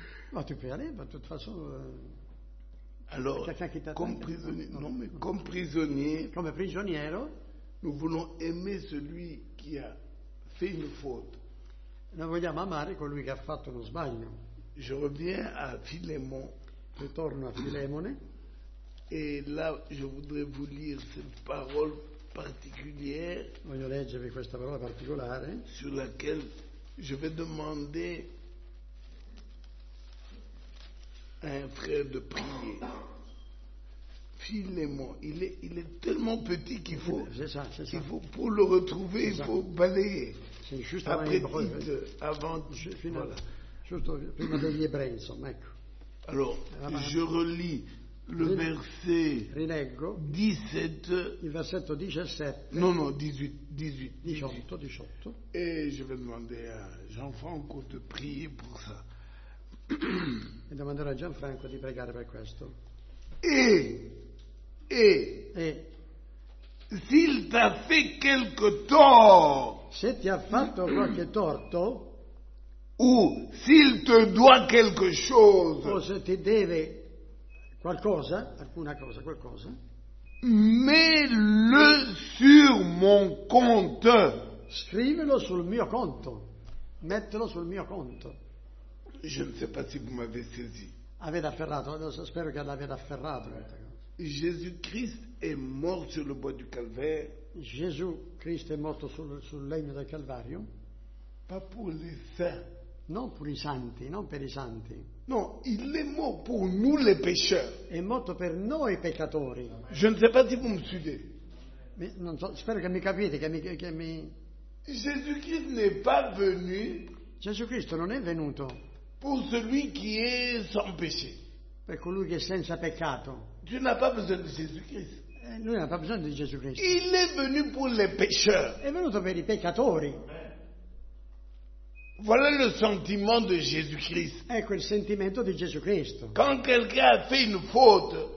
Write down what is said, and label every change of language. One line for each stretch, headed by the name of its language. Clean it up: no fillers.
French: Ma tu peux aller, de toute façon. Alors, comme prisonnier. Non, mais comme prisonnier.
Italian: Come prigioniero.
French: Nous voulons aimer celui qui a fait une faute.
Italian: Noi vogliamo amare colui che ha fatto uno sbaglio.
French: Je reviens à Philémon.
Italian: Ritorno a Filemone.
French: Et là, je voudrais vous lire cette parole particulière.
Italian: Voglio leggervi questa parola particolare.
French: Sur laquelle je vais demander à un frère de prier. Filémon, il est tellement petit qu'il faut, c'est ça. Il faut pour le retrouver, il faut balayer. C'est juste avant des Hébreux, insomma. Alors, je relis le verset 17.
Italian: Il versetto 17. Non, 18. 18.
French: Et je vais demander à Gianfranco de prier pour ça. Et demander à Gianfranco de prier pour questo. Et s'il t'a fait quelque tort,
Italian: se ti ha fatto qualche torto,
French: ou s'il te doit quelque chose,
Italian: o se ti deve qualcosa, alcuna cosa, qualcosa,
French: mets-le sur mon compte.
Italian: Scrivilo sul mio conto. Mettilo sul mio conto.
French: Je ne sais pas si vous m'avez saisi.
Italian: Avete afferrato, spero che l'avete afferrato.
French: Jésus-Christ est mort sur le bois du calvaire. Jésus-Christ est mort sur le
Italian: legno del calvario.
French: Pas pour les saints.
Italian: Non pour i santi, non per i santi.
French: Non, il est mort pour nous les pécheurs.
Italian: È morto per noi peccatori.
French: Je ne sais pas si vous me suivez.
Italian: Non so, spero che mi capite, che mi.
French: Jésus-Christ n'est pas venu.
Italian: Gesù Cristo non è venuto
French: pour celui qui est sans péché.
Italian: Per colui che è senza peccato.
French: Tu n'as pas besoin de Jésus Christ.
Italian: Lui non ha bisogno di Gesù Cristo.
French: Il est venu pour les pécheurs.
Italian: È venuto per i peccatori.
French: Voilà le sentiment de Jésus-Christ.
Italian: Ecco il sentimento di Gesù Cristo.
French: Quand quelqu'un a fait une faute,